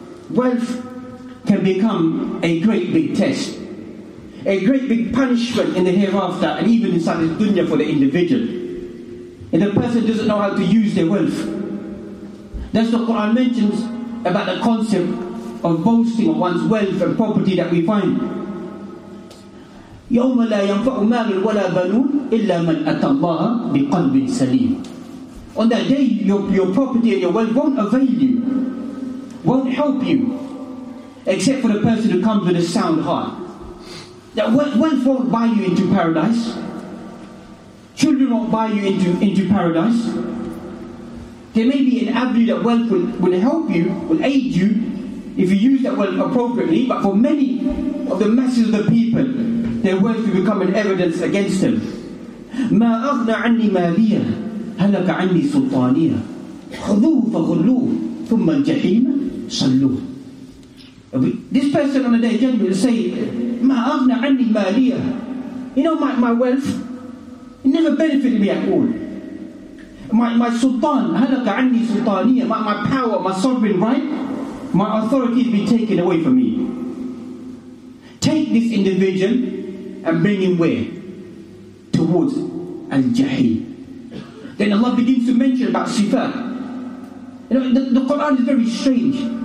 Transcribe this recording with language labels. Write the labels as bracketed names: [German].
[English] Wealth can become a great big test, a great big punishment in the hereafter and even inside the dunya for the individual. If the person doesn't know how to use their wealth, that's what the Quran mentions about the concept of boasting of one's wealth and property that we find. [Arabic] يوم لا ينفع مال ولا بنون إلا من أتى الله بقلب سليم. [English] On that day, your property and your wealth won't avail you, won't help you, except for the person who comes with a sound heart. That wealth won't buy you into paradise. Children won't buy you into paradise. There may be an avenue that wealth will help you, will aid you, if you use that wealth appropriately, but for many of the masses of the people, their wealth will become an evidence against them. [Arabic] مَا أَغْنَى عَنِّي مَالِيَا هَلَكَ عَنِّي سُلْطَانِيَا خُذُوهُ فَغُلُّوهُ ثُمَّ الْجَحِيمَ صَلُّوهُ. [English] This person on the day of judgment will say, [Arabic] مَا أَغْنَى عَنِّي مَالِيَا. [English] You know, my wealth, it never benefited me at all. My sultan, [Arabic] هَلَكَ عَنِّي سُلْطَانِيَا. [English] My power, my sovereign right, my authority will be taken away from me. Take this individual and bring him where? Towards Al-Jahim. Then Allah begins to mention about sifat. You know, the Quran is very strange.